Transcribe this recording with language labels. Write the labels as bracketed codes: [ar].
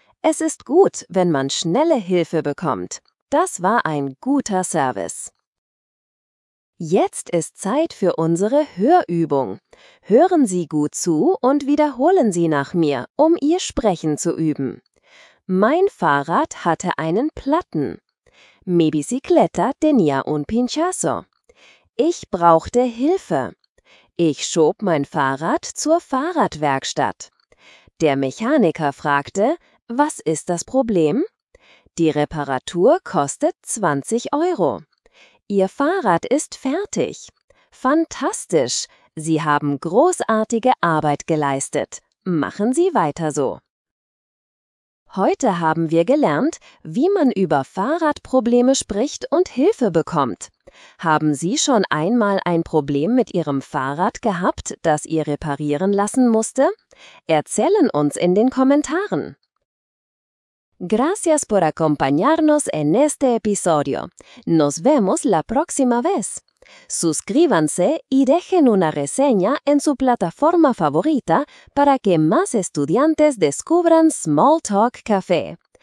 [de] Es ist gut, wenn man schnelle Hilfe bekommt. Das war ein guter Service. Jetzt ist Zeit für unsere Hörübung. Hören Sie gut zu und wiederholen Sie nach mir, um Ihr Sprechen zu üben. Mein Fahrrad hatte einen Platten. [es] Mi bicicleta tenía un pinchazo. [de] Ich brauchte Hilfe. Ich schob mein Fahrrad zur Fahrradwerkstatt. Der Mechaniker fragte: Was ist das Problem? Die Reparatur kostet 20 Euro. Ihr Fahrrad ist fertig. Fantastisch! Sie haben großartige Arbeit geleistet. Machen Sie weiter so. Heute haben wir gelernt, wie man über Fahrradprobleme spricht und Hilfe bekommt. Haben Sie schon einmal ein Problem mit Ihrem Fahrrad gehabt, das Ihr reparieren lassen musste? Erzählen uns in den Kommentaren. [es] Gracias por acompañarnos en este episodio. Nos vemos la próxima vez. Suscríbanse y dejen una reseña en su plataforma favorita para que más estudiantes descubran Small Talk Café.